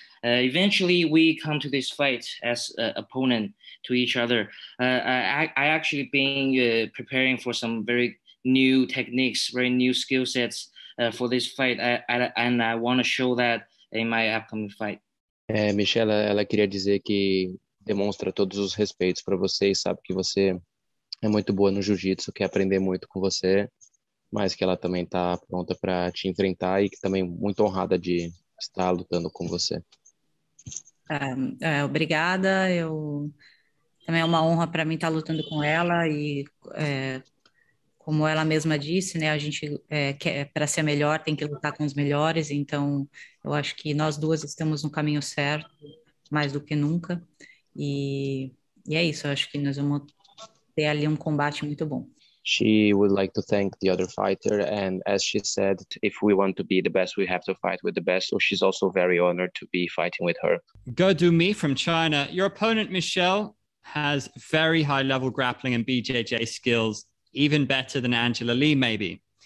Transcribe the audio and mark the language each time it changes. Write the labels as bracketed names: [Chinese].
[English] But eventually, we come to this fight as opponent to each other. I actually been preparing for some very new techniques, very new skill sets for this fight. I want to show that in my upcoming fight. [Portuguese] Michelle, ela queria dizer que demonstra todos os respeitos para você e sabe que você é muito boa no jiu-jitsu, quer aprender muito com você, mas que ela também está pronta para te enfrentar e que também muito honrada de estar lutando com você. Obrigada. Eu também, é uma honra para mim estar lutando com ela e como ela mesma disse, né, a gente quer, para ser melhor, tem que lutar com os melhores. Então, eu acho que nós duas estamos no caminho certo, mais do que nunca. E é isso. Eu acho que nós vamos ter ali um combate muito bom. [English] She would like to thank the other fighter, and as she said, if we want to be the best, we have to fight with the best. So she's also very honored to be fighting with her. Go Do Me from China. Your opponent, Michelle, has very high level grappling and BJJ skills, even better than Angela Lee, maybe.